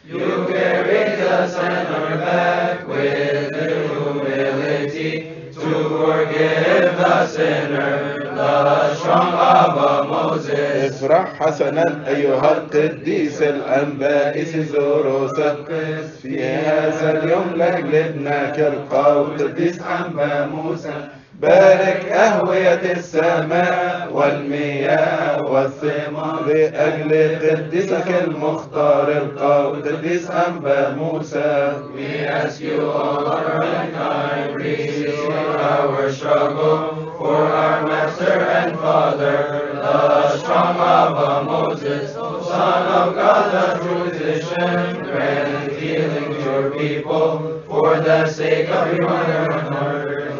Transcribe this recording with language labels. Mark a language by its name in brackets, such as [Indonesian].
[English] You carried us and our back with humility to forgive the sinner, the strong Abba Moses. [Arabic] افرح حسنا ايها القديس الانباء سيزوروس في هذا اليوم لاجل ابنك القاوي القديس انباء موسى. بارك أهوية السماء والمياه والثمار لأجل قديسك المختار القوي قديس أنبا موسى. [English] We ask you all our mankind, receive our struggle for our master and father, the strong Abba Moses, son of God the true physician, grant healing to your people for the sake of your honor and honor.